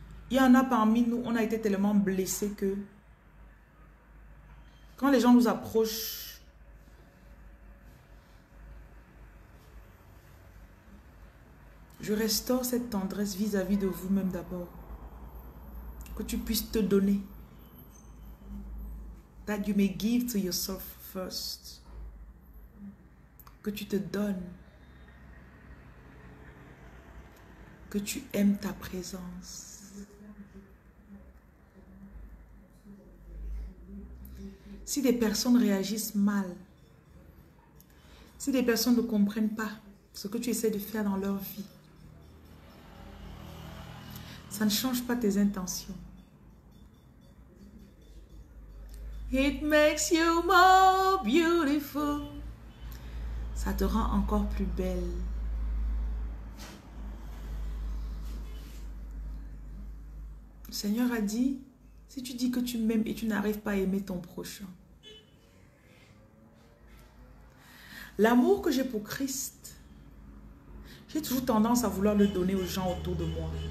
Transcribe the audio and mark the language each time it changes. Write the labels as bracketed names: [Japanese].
[French] Il y en a parmi nous, on a été tellement blessés que quand les gens nous approchent, je restaure cette tendresse vis-à-vis de vous-même d'abord. Que tu puisses te donner. [English] That you may give to yourself first. [French] Que tu te donnes. Que tu aimes ta présence. Si des personnes réagissent mal, si des personnes ne comprennent pas ce que tu essaies de faire dans leur vie, ça ne change pas tes intentions. [English] It makes you more beautiful. [French] Ça te rend encore plus belle. Le Seigneur a dit, si tu dis que tu m'aimes et tu n'arrives pas à aimer ton prochain, l'amour que j'ai pour Christ, j'ai toujours tendance à vouloir le donner aux gens autour de moi.